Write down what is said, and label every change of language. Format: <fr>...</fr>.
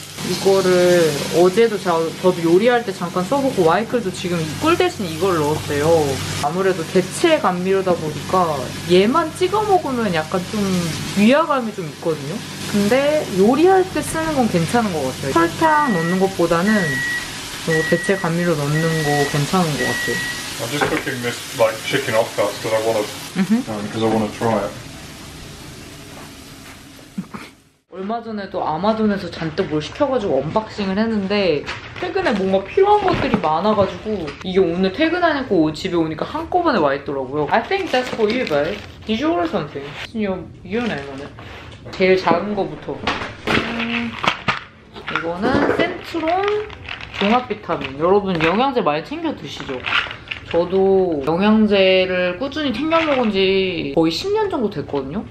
<ko>이거를 어제도 저도 요리할 때 잠깐 써보고 마이클도 지금 꿀 대신 이걸 넣었어요. 아무래도 대체 감미료다 보니까 얘만 찍어 먹으면 약간 좀 귀화감이 좀 있거든요. 근데 요리할 때 쓰는 건 괜찮은 것 같아요. 설탕 넣는 것보다는 저 대체 감미료 넣는 거 괜찮은 것 같아요.</ko> <en>I'm just cooking this like chicken off cuts because I want to because I want to try it.</en> <ko>얼마 전에도 아마존에서 잔뜩 뭘 시켜가지고 언박싱을 했는데 최근에 뭔가 필요한 것들이 많아가지고 이게 오늘 퇴근하니까 집에 오니까 한꺼번에 와있더라고요.</ko> <en>I think that's for you, babe. Did you order something?</en> <ko>지금 이어내면 제일 작은 거부터. 이거는 센트롬 종합비타민. 여러분 영양제 많이 챙겨 드시죠? 저도 영양제를 꾸준히 챙겨 먹은 지 거의 10년 정도 됐거든요.</ko>